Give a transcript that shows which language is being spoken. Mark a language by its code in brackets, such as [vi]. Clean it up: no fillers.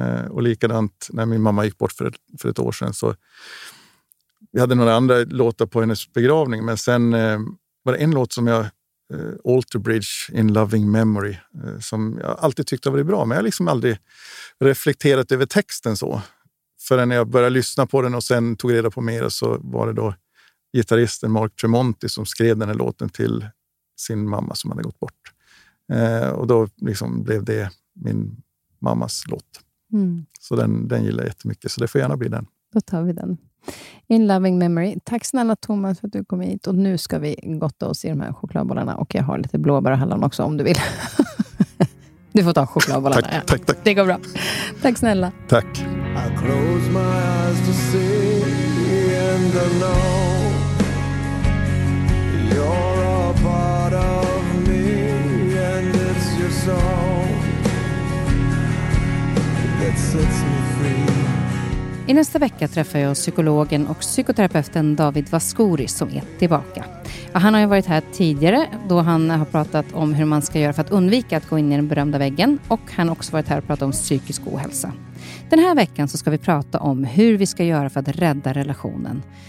[sv] Och likadant när min mamma gick bort för ett år sedan, så vi hade några andra låtar på hennes begravning, men sen var det en låt som jag, Alter Bridge in Loving Memory, som jag alltid tyckte var bra, men jag liksom aldrig reflekterat över texten så förrän jag började lyssna på den och sen tog reda på mer, så var det då gitarristen Mark Tremonti som skrev den här låten till sin mamma som hade gått bort, och då liksom blev det min mammas låt. Mm. Så den gillar jag jättemycket. Så det får gärna bli den. Då tar vi den. In Loving Memory. Tack snälla Thomas för att du kom hit. Och nu ska vi gotta oss i de här chokladbollarna. Och jag har lite blåbär och hallon också om du vill. Du får ta chokladbollarna. Tack, ja. tack. Det går bra. Tack snälla. Tack. [en] I close my eyes to see the end alone. You're a part of me and it's your song. [sv] I nästa vecka träffar jag psykologen och psykoterapeuten David Vaskori som är tillbaka. Han har ju varit här tidigare då han har pratat om hur man ska göra för att undvika att gå in i den berömda väggen. Och han har också varit här och pratat om psykisk ohälsa. Den här veckan så ska vi prata om hur vi ska göra för att rädda relationen.